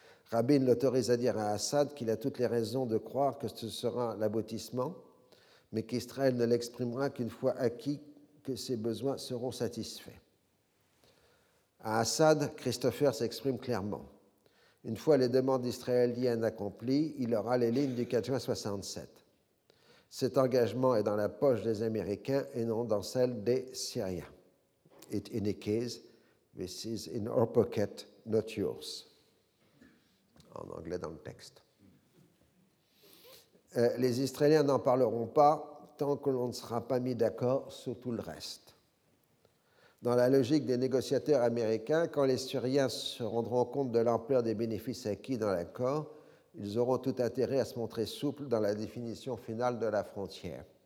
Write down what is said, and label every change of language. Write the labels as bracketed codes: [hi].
[fr] Rabin l'autorise à dire à Assad qu'il a toutes les raisons de croire que ce sera l'aboutissement, mais qu'Israël ne l'exprimera qu'une fois acquis que ses besoins seront satisfaits. À Assad, Christopher s'exprime clairement. Une fois les demandes israéliennes accomplies, il aura les lignes du 4 juin 67. Cet engagement est dans la poche des Américains et non dans celle des Syriens. [en] In any case, this is in our pocket, not yours. [fr] En anglais dans le texte. Les Israéliens n'en parleront pas tant que l'on ne sera pas mis d'accord sur tout le reste. Dans la logique des négociateurs américains, quand les Syriens se rendront compte de l'ampleur des bénéfices acquis dans l'accord, ils auront tout intérêt à se montrer souples dans la définition finale de la frontière.